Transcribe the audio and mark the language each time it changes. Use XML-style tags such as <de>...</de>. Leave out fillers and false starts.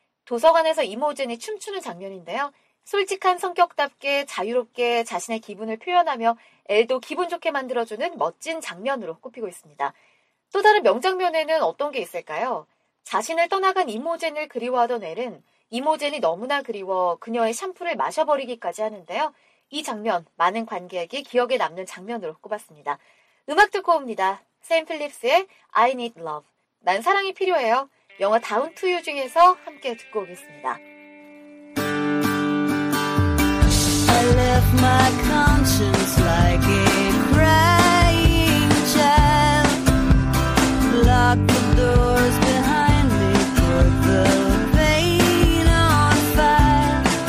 <ko>도서관에서 이모젠이 춤추는 장면인데요. 솔직한 성격답게 자유롭게 자신의 기분을 표현하며 엘도 기분 좋게 만들어주는 멋진 장면으로 꼽히고 있습니다. 또 다른 명장면에는 어떤 게 있을까요? 자신을 떠나간 이모젠을 그리워하던 엘은 이모젠이 너무나 그리워 그녀의 샴푸를 마셔버리기까지 하는데요. 이 장면 많은 관객에게 기억에 남는 장면으로 꼽았습니다. 음악 듣고 옵니다. 샘 필립스의 I Need Love. 난 사랑이 필요해요. 영화 다운 투 유 중에서 함께 듣고 오겠습니다.</ko> <en>I left my conscience like a crying child. Lock the doors behind me, put the pain on fire.</en>